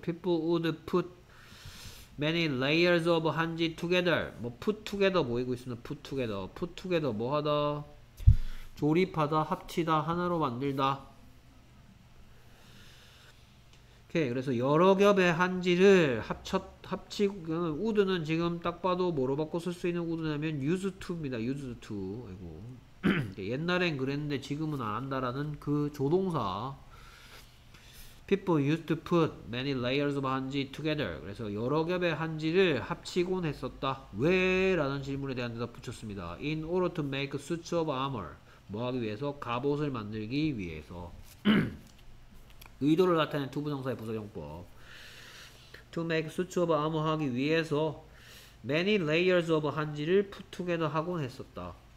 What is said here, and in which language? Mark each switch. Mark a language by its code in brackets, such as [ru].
[en] People would put many layers of 한지 together. 뭐 put together [ko] 모이고 있으면 [en] put together. Put together [ko] 뭐 하다? 조립하다, 합치다, 하나로 만들다. 오케이, 그래서 여러 겹의 한지를 합치고, 우드는 지금 딱 봐도 뭐로 바꿔 쓸수 있는 우드냐면 used to입니다. [en] used to. [ko] 아이고. 옛날엔 그랬는데 지금은 안 한다라는 그 조동사. [en] People used to put many layers of 한지 together. [ko] 그래서 여러 겹의 한지를 합치곤 했었다. 왜? 라는 질문에 대한 대답 붙였습니다. [en] In order to make suits of armor. [ko] 뭐 하기 위해서? 갑옷을 만들기 위해서. 의도를 나타낸 to 부정사의 부사용법. [en] To make suits of armor [ko] 하기 위해서 [en] many layers of 한지를 put together [ko] 하곤 했었다.